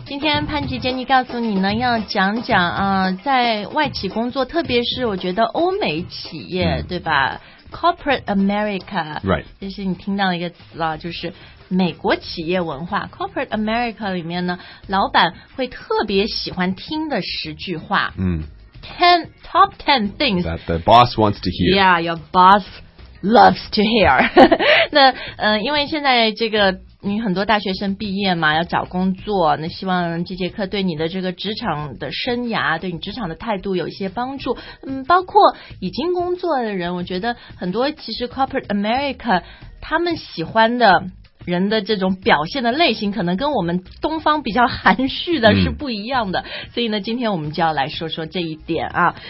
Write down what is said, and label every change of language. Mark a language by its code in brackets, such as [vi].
[zh] 今天潘吉 Jenny 告诉你呢，要讲讲啊、在外企工作，特别是我觉得欧美企业、对吧， Corporate America、 [en] right. [zh] 这是你听到一个词了，就是美国企业文化 Corporate America 里面呢，老板会特别喜欢听的十句话， [en] Top 10 things that the boss wants to hear. Yeah, your boss loves to hear. [zh] 那、因为现在这个你很多大学生毕业嘛，要找工作，那希望这节课对你的这个职场的生涯，对你职场的态度有一些帮助。包括已经工作的人，我觉得很多其实 Corporate America 他们喜欢的人的这种表现的类型，可能跟我们东方比较含蓄的是不一样的、所以呢，今天我们就要来说说这一点啊。